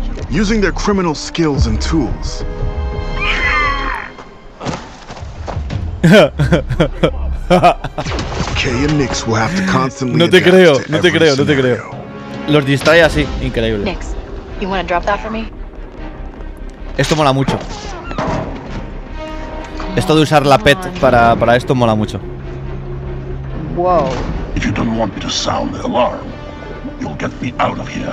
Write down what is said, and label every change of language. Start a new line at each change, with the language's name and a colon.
English: Using their criminal skills and tools. Kay and Nix will have to constantly.
Spanish: No te creo. Los distrae así, increíble.
English: Nix, you want to drop that for me?
Spanish: Esto mola mucho. Esto de usar la pet para esto mola mucho. Whoa.
English: If you don't want me to sound the alarm, you'll get me out of here.